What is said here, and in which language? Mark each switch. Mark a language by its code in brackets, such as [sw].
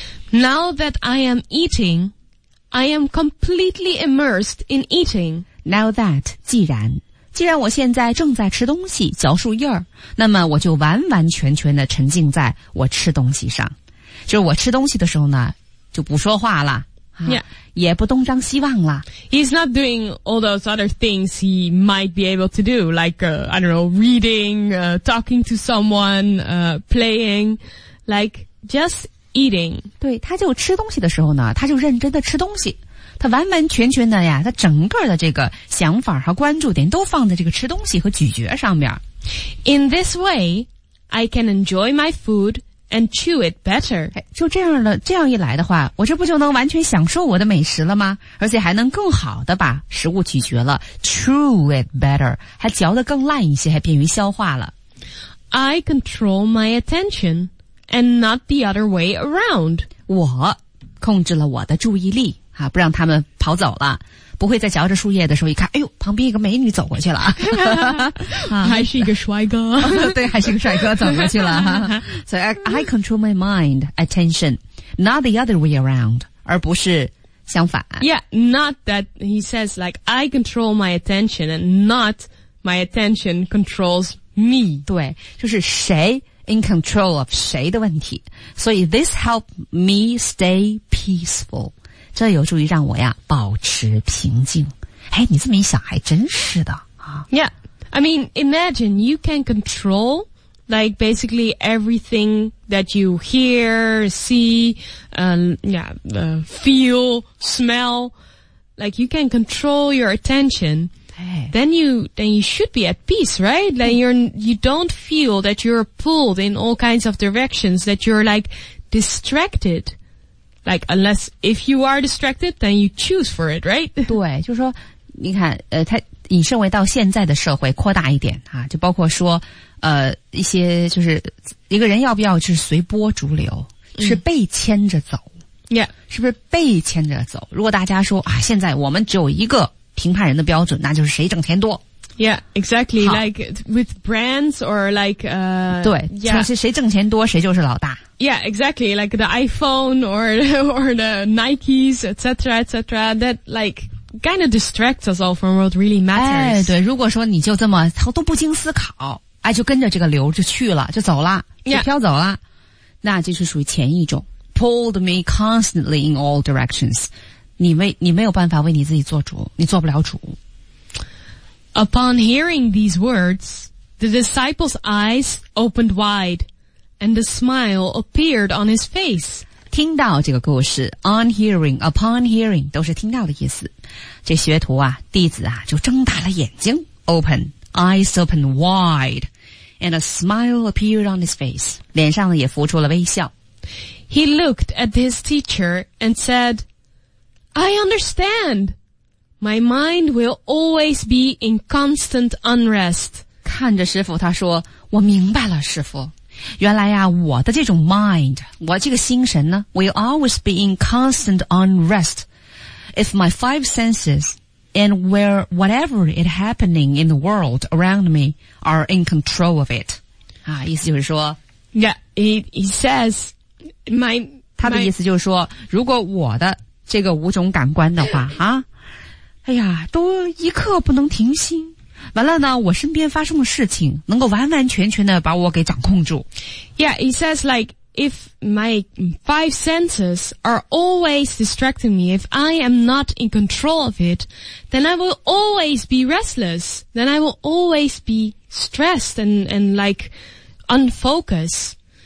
[en] Now that I am eating, I am completely immersed in eating. Now that, [zh] 既然我现在正在吃东西，嚼树叶儿，那么我就完完全全的沉浸在我吃东西上。就是我吃东西的时候呢，就不说话了，啊、 yeah. 也不东张西望了。 [en] He's not doing all those other things he might be able to do, like, I don't know, reading, talking to someone, playing, like, just eating. [zh] 对，他就吃东西的时候呢，他就认真的吃东西。他完完全全的呀，他整个的这个想法和关注点都放在这个吃东西和咀嚼上面。 [en] In this way, I can enjoy my food and chew it better. [zh] 就这样的，这样一来的话，我这不就能完全享受我的美食了吗？而且还能更好的把食物咀嚼了， [en] chew it better， [zh] 还嚼得更烂一些，还便于消化了。 [en] I control my attention and not the other way around. [zh] 我控制了我的注意力啊，不让他们跑走了。不会在嚼着树叶的时候一看，哎呦，旁边一个美女走过去了。还是一个帅哥。对，还是一个帅哥走过去了。 [en] 所以 I control my mind, attention, not the other way around, [zh] 而不是相反。 [en] Yeah, not that he says like, I control my attention and not my attention controls me. [zh] 对，就是谁 [en] in control of [zh] 谁的问题。 [en] 所以 this helped me stay peaceful. [zh] 这有助于让我呀保持平静。哎，你这么一想还真是的啊。 [en] Yeah, I mean, imagine you can control like basically everything that you hear, see, feel, smell. Like you can control your attention. Then you should be at peace, right? Then you don't feel that you're pulled in all kinds of directions, that you're like distracted. Like, unless if you are distracted, then you choose for it, right? [zh] 对，就是说，你看，他引申为到现在的社会扩大一点啊，就包括说，一些就是一个人要不要是随波逐流，是被牵着走，Yeah，是不是被牵着走？如果大家说啊，现在我们只有一个评判人的标准，那就是谁挣钱多。 [en] Yeah, exactly. Like with brands or like, [zh] 对，就是谁挣钱多，谁就是老大。 [en] Yeah, exactly. Like the iPhone or the Nikes, etc., etc. That like kind of distracts us all from what really matters. [zh] 哎，对，如果说你就这么都不经思考，哎，就跟着这个流就去了，就走了，就飘走了， yeah. 那就是属于前一种 [en] pulled me constantly in all directions. [zh] 你没有办法为你自己做主，你做不了主。 [en] Upon hearing these words, the disciple's eyes opened wide, and a smile appeared on his face. [zh] 听到这个故事 , [en] on hearing, upon hearing, [zh] 都是听到的意思。这学徒啊，弟子啊，就睁大了眼睛 [en] ,open, eyes opened wide, and a smile appeared on his face. [zh] 脸上呢也浮出了微笑。 [en] He looked at his teacher and said, I understand! My mind will always be in constant unrest. [zh] 看着师父他说我明白了师父。原来呀我的这种 mind, 我这个心神呢 [en] will always be in constant unrest. If my five senses and where whatever is happening in the world around me are in control of it. [zh] 啊意思就是说 [en] Yeah, he says, [zh] 他的意思就是说如果我的这个五种感官的话啊哎呀都一刻不能停心。完了呢我身边发生的事情能够完完全全的把我给掌控住。 [en] Yeah, he says like, if my five senses are always distracting me, if I am not in control of it, then I will always be restless, then I will always be stressed and like, unfocused.